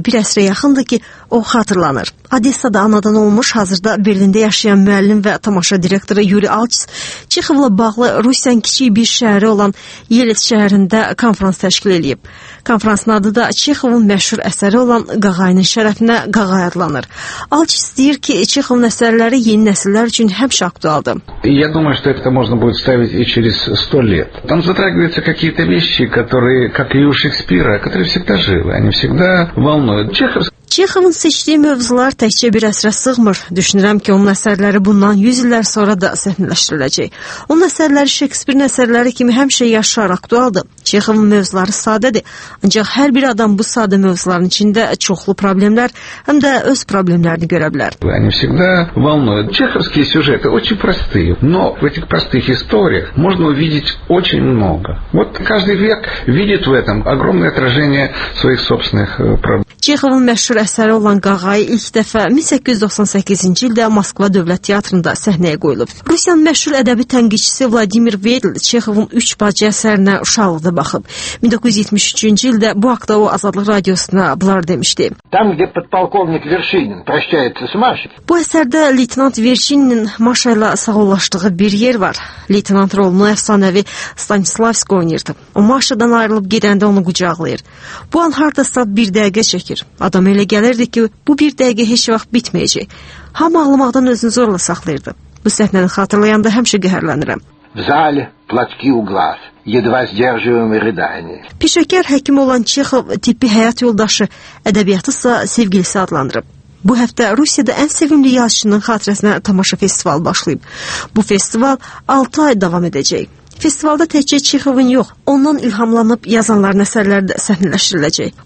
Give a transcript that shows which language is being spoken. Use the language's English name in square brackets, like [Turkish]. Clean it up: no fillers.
[Azerbaijani] Bir əsrə yaxındır ki, o xatırlanır. Odessa'da anadan olmuş, hazırda Berlində yaşayan müəllim və tamaşa direktoru Yuri Alçs Çexovla bağlı Rusiyanın kiçik bir şəhəri olan Yelet şəhərində konfrans təşkil edib. Konfransın adı da Çexovun məşhur əsəri olan Qağayının şərəfinə Qağay adlanır. Alçs deyir ki, Çexovun əsərləri yeni nəsillər üçün həmişə aktualdır. [Russian] Я думаю, что это можно будет ставить и через 100 лет. Там затрагиваются какие-то вещи, которые, как и у Шекспира, которые всегда живы, они всегда волнуют. [Azerbaijani] Çexovun seçdiyi mövzular təkcə bir əsrə sığmır. Düşünürəm ki, onun əsərləri bundan 100 illər sonra da səhnələşdiriləcək. Onun əsərləri Şekspirin əsərləri kimi həmişə yaşayaraq aktualdır. Çexovun mövzuları sadədir, ancaq hər bir adam bu sadə mövzuların içində çoxlu problemlər, həm də öz problemlərini görə bilər. [Russian] Они всегда волнуют. Чеховские сюжеты очень простые, но в этих простых историях можно увидеть очень много. Вот каждый век видит в этом огромное отражение своих собственных проблем. [Azerbaijani] Çexovun məşhur əsəri olan Qağay ilk dəfə 1898-ci ildə Moskva Dövlət Teatrında səhnəyə qoyulub. Rusiyanın məşhur ədəbi tənqidçisi Vladimir Vedl Çexovun üç bacı əsərinə uşaqlıqda baxıb. 1973-cü ildə bu haqda o Azadlıq Radiosuna bunlar demişdi. [Russian] Там, где подполковник Вершинин прощается с Машей. [Azerbaijani] Bu əsərdə leytenant Vershinin Maşa ilə sağollaşdığı bir yer var. Leytenant rolunu əfsanəvi Stanislavski oynayırdı. O Maşadan ayrılıb gedəndə onu qucaqlayır. Bu an hardasa bir dəqiqə çəkir. Adam elə gəlirdi ki, bu bir dəqiqə heç vaxt bitməyəcək. Hamı ağlamaqdan özünü zorla saxlayırdı. Bu səhnəni xatırlayanda həmişə qəhərlənirəm. [Russian] В зале платки у глаз, едва сдерживаемые рыдания. [Azerbaijani] Пешекер həkim olan Çexov tipi həyat yoldaşı, ədəbiyyatısa sevgilisi adlandırıb. Bu həftə Rusiyada ən sevimli yazıçının xatirəsinə tamaşa festivalı başlayıb. Bu festival 6 ay davam edəcək. Festivalda təkcə Çexovun yox, ondan ilhamlanıb yazanların əsərləri də səhnələşdiriləcək.